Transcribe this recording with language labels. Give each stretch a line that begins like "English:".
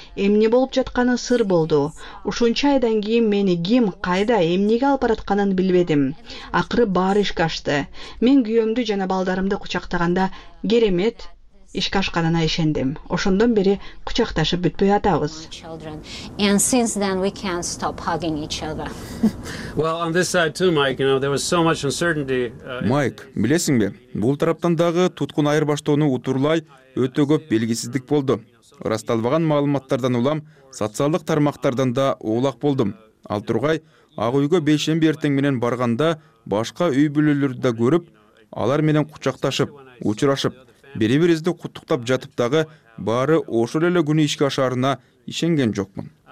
Kyrgyz: Эмне болуп жатканы сыр болду. Ушунча айдан кийин мени ким, кайда, эмнеге алып баратканын билбедим. Акыры баары ишке ашты. Мен күйөөмдү жана балдарымды кучактаганда керемет ишке ашканына ишендим. Ошондон бери кучакташып бүтпөй атабыз.
English: And since then we can't stop hugging each other. Well, on this side too, Mike, you know, there was so much uncertainty.
Kyrgyz: Майк, билесиңби? Бул тараптан дагы туткун айырбаштоону утурлай өтө көп белгисиздик болду. Расталбаган маалыматтардан улам социалдык тармактардан да оолак болдум. Ал тургай Ак үйгө бейшемби эртең менен барганда башка үй бүлөлөрдү да көрүп, алар менен кучакташып, учурашып, бири бирибизди куттуктап жатып дагы баары ошол эле күнү ишке ашарына ишенген жокмун.